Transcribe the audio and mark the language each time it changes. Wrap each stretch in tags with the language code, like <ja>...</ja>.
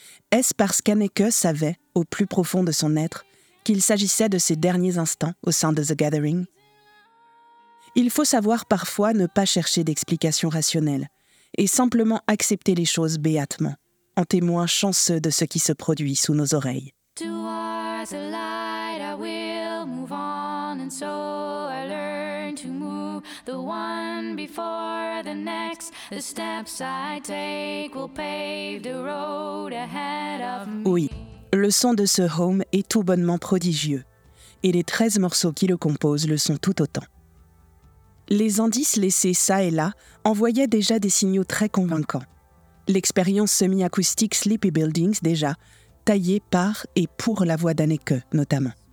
<fr>Est-ce parce qu'Anneke savait, au plus profond de son être, qu'il s'agissait de ses derniers instants au sein de The Gathering? Il faut savoir parfois ne pas chercher d'explications rationnelles et simplement accepter les choses béatement, en témoin chanceux de ce qui se produit sous nos oreilles.</fr> <en>Towards the light I will move on and so I learn to move the one before the next. The steps I take will pave the road ahead of me.</en> <fr>Oui, le son de ce Home est tout bonnement prodigieux et les 13 morceaux qui le composent le sont tout autant. Les indices laissés ça et là envoyaient déjà des signaux très convaincants. L'expérience semi-acoustique Sleepy Buildings déjà, taillée par et pour la voix d'Anneke notamment.</fr>